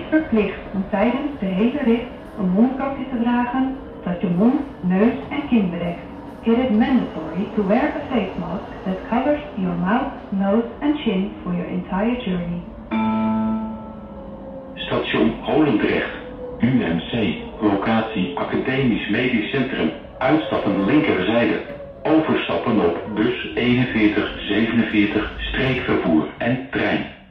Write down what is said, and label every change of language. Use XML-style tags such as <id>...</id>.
<nl>Tijdens de hele rit een mondkapje te dragen dat je mond, neus en kin bedekt.</nl> <en>It is mandatory to wear a face mask that covers your mouth, nose and chin for your entire journey.</en> <nl>Station Holendrecht, UMC, locatie Academisch Medisch Centrum, uitstappen linkerzijde, overstappen op bus 4147, streekvervoer en trein.</nl>